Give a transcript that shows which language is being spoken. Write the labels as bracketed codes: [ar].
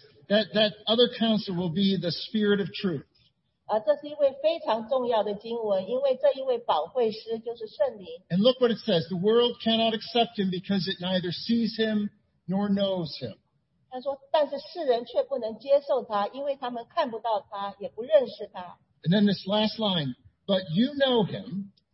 [en] That other counselor will be the Spirit of Truth. [zh] 这是一位非常重要的经文,因为这一位保惠师就是圣灵。 [en] And look what it says, the world cannot accept him because it neither sees him nor knows him. [zh] 他说,但是世人却不能接受他,因为他们看不到他,也不认识他。 [en] And then this last line, but you know him,